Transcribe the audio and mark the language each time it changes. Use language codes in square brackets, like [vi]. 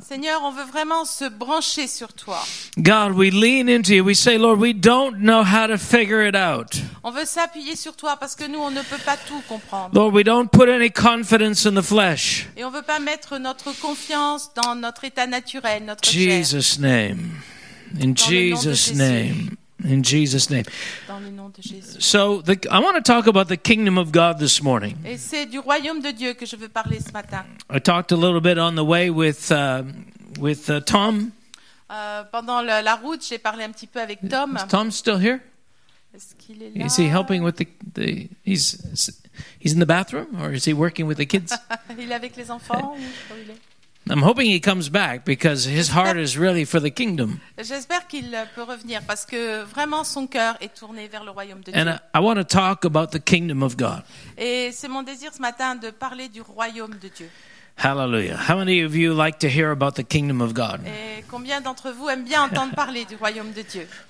[fr] Seigneur, on veut vraiment se brancher sur toi. [en] God, we lean into you. We say, Lord, we don't know how to figure it out. [fr] On veut s'appuyer sur toi parce que nous, on ne peut pas tout comprendre. [en] Lord, we don't put any confidence in the flesh. [fr] Et on veut pas mettre notre confiance dans notre état naturel, notre chair. [en] Jesus' name. In Jesus' name. In Jesus' name. [fr] Dans le nom de Jésus. [en] So I want to talk about the kingdom of God this morning. [fr] Et c'est du royaume de Dieu que je veux parler ce matin. [en] I talked a little bit on the way with Tom. [fr] Pendant la route, j'ai parlé un petit peu avec Tom. [en] Is Tom still here? [fr] Est-ce qu'il est là? [en] Is he helping with the he's in the bathroom or is he working with the kids? [fr] Il est avec les enfants ou où il est? [en] I'm hoping he comes back because his heart is really for the kingdom. [fr] J'espère qu'il peut revenir parce que vraiment son cœur est tourné vers le royaume de Dieu. [en] And I want to talk about the kingdom of God. [fr] Et c'est mon désir ce matin de parler du royaume de Dieu. [en] Hallelujah. How many of you like to hear about the kingdom of God? [fr] Et combien d'entre vous aiment bien entendre parler du royaume de Dieu?